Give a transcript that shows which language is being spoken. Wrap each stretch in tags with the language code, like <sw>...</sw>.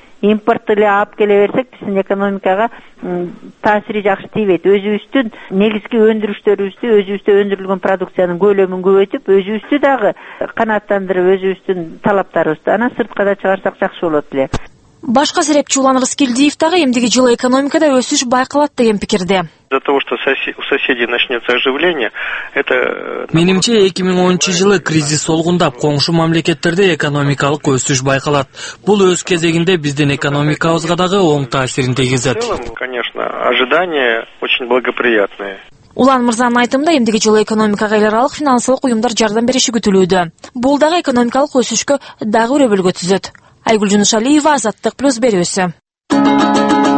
<ky>Импортту эле алып келе берсек биздин экономикага таасири жакшы тийбейт. Өзүбүздүн негизги өндүрүштөрүбүздү, өзүбүздө өндүрүлгөн продукциянын көлөмүн көбөйтүп, өзүбүздү дагы канааттандырып, өзүбүздүн талаптарыбызды анан сыртка да чыгарсак жакшы болот эле. Башка серепчи Улан Рыскелдиев дагы эмдиги жылы экономикада өсүш байкалат деген пикирде.</ky> <ru>За того, что у соседей начнется оживление, это...</ru> <ky>Менимче, 2010 жылы кризис солгундап, коңшу мамлекеттерде экономикалык өсүш байкалат. Бул өз кезегинде биздин экономикабызга дагы оң таасирин тийгизет.</ky> <ru>В целом, конечно, ожидания очень благоприятные.</ru> <ky>Улан Мырзанын айтымында эмдиги жылы экономикага эл аралык финансылык уюмдар жардам бериши күтүлүүдө. Бул дагы экономикалык өсүшкө дагы бир өбөлгө түзөт. Айгүл Жунушалиева, Азаттык Плюс берүүсү.</ky>